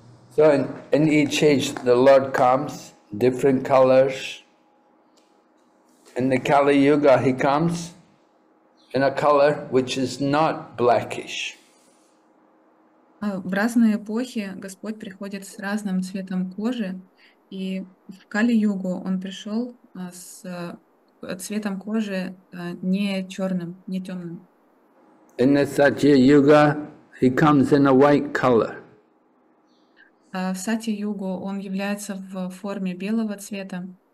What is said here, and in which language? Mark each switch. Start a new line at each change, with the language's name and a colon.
English: So in each age the Lord comes different colors. In the Kali Yuga he comes in a color which is not blackish.
Russian: В разные эпохи Господь приходит с разным цветом кожи. И в Кали-югу он пришел с цветом кожи не черным, не темным.
English: In the Satya-yuga, he comes in a white color.
Russian: В Сати-югу он является в форме белого цвета.